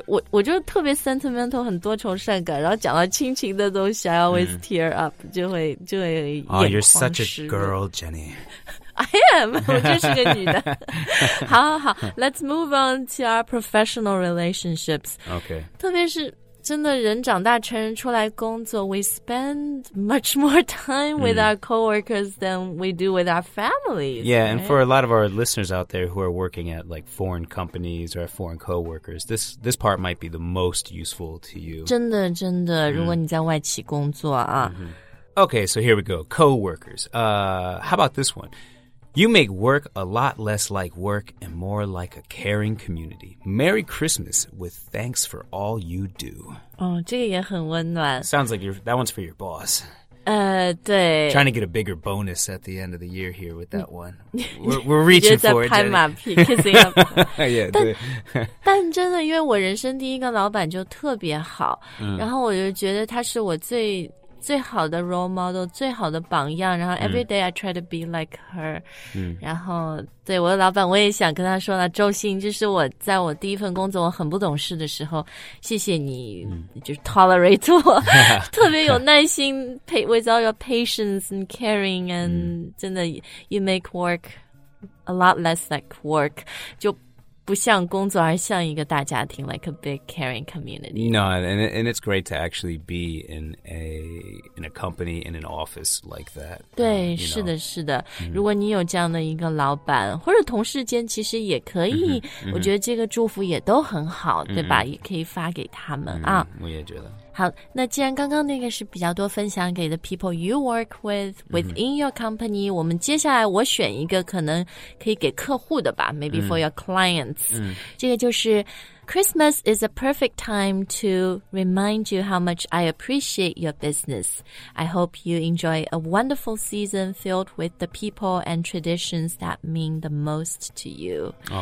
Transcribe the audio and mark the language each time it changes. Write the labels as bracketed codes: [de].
[zh] 我就特别 sentimental， 很多愁善感，然后讲到亲情的东西 ， [en] I always tear up， [zh] 就会眼眶湿润。 [en] Oh, you're such a girl, Jenny. I am. [zh] 我就是个女的。 [en] 好 ，Let's move on to our professional relationships. Okay. [zh] 特别是真的人长大成人出来工作 [en] ，we spend much more time with our coworkers than we do with our families. Yeah, right? And for a lot of our listeners out there who are working at like foreign companies or foreign coworkers, this part might be the most useful to you. [zh] 真的真的，如果你在外企工作啊。 [en] Okay, so here we go. Coworkers. How about this one? You make work a lot less like work and more like a caring community. Merry Christmas with thanks for all you do. [zh] 这个也很温暖。 [en] Sounds like that one's for your boss. [zh] 对。 [en] Trying to get a bigger bonus at the end of the year here with that one. We're reaching for it. [zh] 你就在拍马屁， [en] kissing up. Yeah, 对。 [zh] 但真的，因为我人生第一个老板就特别好，然后我就觉得他是我最好的 role model 最好的榜样然后 [en] everyday I try to be like her [zh] 然后对我的老板我也想跟他说了周星就是我在我第一份工作我很不懂事的时候谢谢你就是 tolerate 我特别有耐心 [en] with all your patience and caring [zh] and 真的 [en] you make work a lot less like work [zh] 就不像工作而像一个大家庭 [en] like a big caring community. No, and it's great to actually be in a company, in an office like that. [zh] 对是的是的。如果你有这样的一个老板或者同事间其实也可以我觉得这个祝福也都很好对吧也可以发给他们啊。我也觉得。好那既然刚刚那个是比较多分享给 [en] the people you work with within your company [zh] 我们接下来我选一个可能可以给客户的吧 [en] maybe for your clients 这个就是 Christmas is a perfect time to remind you how much I appreciate your business I hope you enjoy a wonderful season filled with the people and traditions that mean the most to you